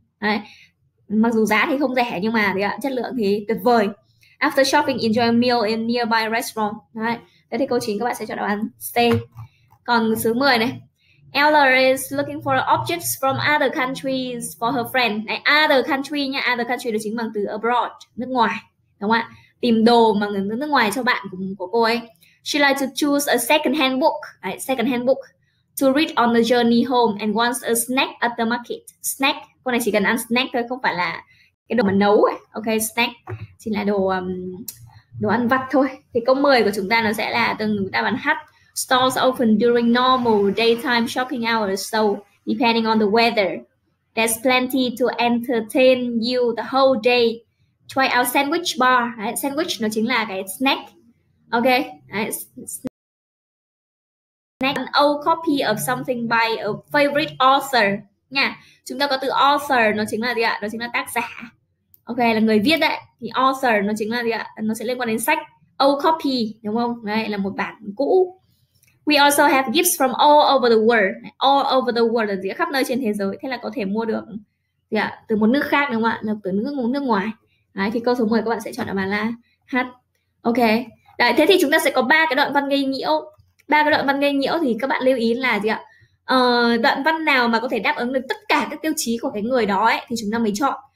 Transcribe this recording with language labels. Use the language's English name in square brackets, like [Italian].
[Vietnamese] Đấy. Mặc dù giá thì không rẻ nhưng mà thì ạ, chất lượng thì tuyệt vời. [English] After shopping, enjoy a meal in nearby restaurant. [Vietnamese] Đấy. Đấy thì câu 9 các bạn sẽ chọn đáp án C. Còn số 10 này. [English] Ella is looking for objects from other countries for her friend. Đấy, other country nha, other country [Vietnamese] là chính bằng từ [English] abroad, [Vietnamese] nước ngoài, đúng không ạ? tìm đồ mà người nước ngoài cho bạn của cô ấy. [English] She likes to choose a second-hand book, to read on the journey home and wants a snack at the market. [Vietnamese] Snack, cô này chỉ cần ăn snack thôi, không phải là cái đồ mà nấu ấy. Ok, snack chỉ là đồ đồ ăn vặt thôi. Thì câu 10 của chúng ta nó sẽ là từng đáp án H. [English] Stalls open during normal daytime shopping hours, so depending on the weather, there's plenty to entertain you the whole day. Try out sandwich bar. [Vietnamese] Đấy, sandwich nó chính là cái snack. Ok. Đấy, snack. [English] An old copy of something by a favorite author. Nha. [Vietnamese] Chúng ta có từ author, nó chính là gì ạ? Nó chính là tác giả. Ok, là người viết đấy. Thì author nó chính là gì ạ? Nó sẽ liên quan đến sách. [English] Old copy, [Vietnamese] đúng không? Đấy, là một bản cũ. [English] We also have gifts from all over the world. All over the world [Vietnamese] là gì? Khắp nơi trên thế giới. Thế là có thể mua được gì ạ? Từ một nước khác, đúng không ạ? Từ nước ngoài. Đấy, thì câu số 10 các bạn sẽ chọn đáp án là H. Ok. Đấy, thế thì chúng ta sẽ có ba cái đoạn văn gây nhiễu. Ba cái đoạn văn gây nhiễu thì các bạn lưu ý là gì ạ? Đoạn văn nào mà có thể đáp ứng được tất cả các tiêu chí của cái người đó ấy, thì chúng ta mới chọn.